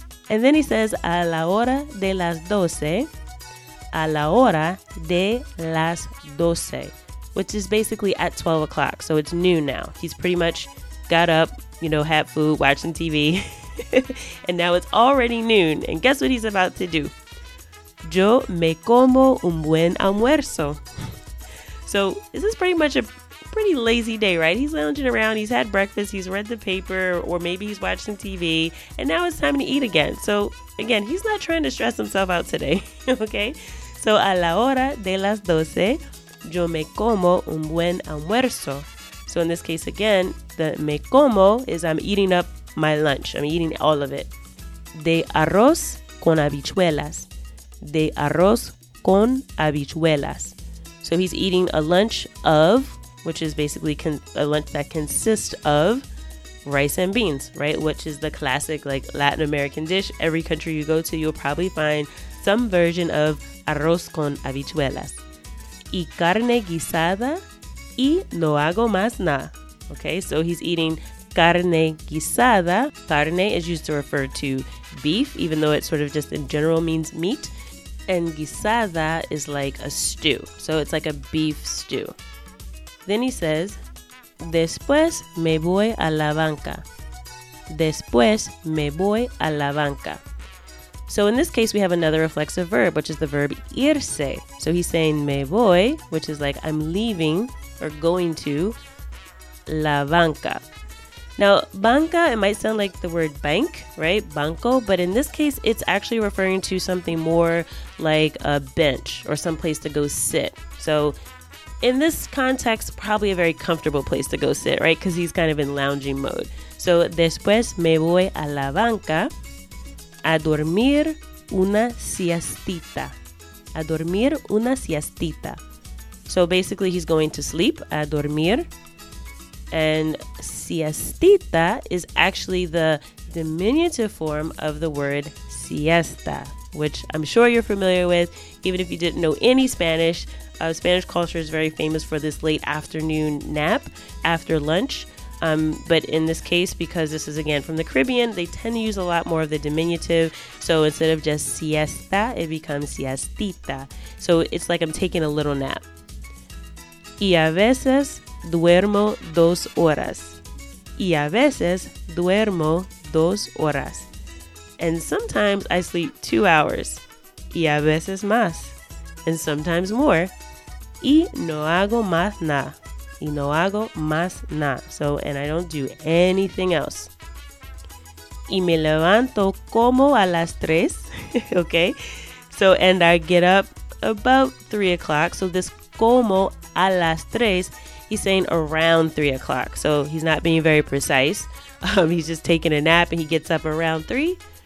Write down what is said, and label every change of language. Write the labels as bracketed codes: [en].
[en] And then he says, [es] a la hora de las doce, [en] a la hora de las doce, which is basically at 12 o'clock. So it's noon now. He's pretty much got up, you know, had food, watched some TV. And now it's already noon. And guess what he's about to do? [es] Yo me como un buen almuerzo. [en] So this is pretty much a pretty lazy day, right? He's lounging around. He's had breakfast. He's read the paper. Or maybe he's watched some TV. And now it's time to eat again. So again, he's not trying to stress himself out today. Okay? [es] So a la hora de las doce, yo me como un buen almuerzo. [en] So in this case, again, the [es] me como [en] is I'm eating up my lunch. I'm eating all of it. [es] De arroz con habichuelas. De arroz con habichuelas. [en] So he's eating a lunch of, which is basically a lunch that consists of rice and beans, right? Which is the classic like Latin American dish. Every country you go to, you'll probably find some version of arroz con habichuelas. [es] Y carne guisada y no hago más na. [en] Okay, so he's eating carne guisada. Carne is used to refer to beef, even though it sort of just in general means meat. And guisada is like a stew. So it's like a beef stew. [es] Then he says, después me voy a la banca. Después me voy a la banca. [en] So in this case, we have another reflexive verb, which is the verb irse. So he's saying [es] me voy, [en] which is like I'm leaving or going to la banca. Now, banca, it might sound like the word bank, right? Banco. But in this case, it's actually referring to something more like a bench or some place to go sit. So in this context, probably a very comfortable place to go sit, right? Because he's kind of in lounging mode. [es] So después me voy a la banca a dormir una siestita. A dormir una siestita. [en] So basically, he's going to sleep, [es] a dormir. [en] And siestita is actually the diminutive form of the word siesta, which I'm sure you're familiar with, even if you didn't know any Spanish. Spanish culture is very famous for this late afternoon nap after lunch. But in this case, because this is again from the Caribbean, they tend to use a lot more of the diminutive. So instead of just siesta, it becomes siestita. So it's like I'm taking a little nap. [es] Y a veces duermo dos horas. Y a veces duermo dos horas. [en] And sometimes I sleep 2 hours. [es] Y a veces más. [en] And sometimes more. [es] Y no hago más nada. Y no hago más nada. [en] So, and I don't do anything else. [es] Y me levanto como a las tres. [en] Okay. So, and I get up about 3 o'clock. So this [es] como a las tres, [en] he's saying around 3 o'clock. So he's not being very precise. He's just taking a nap and he gets up around three.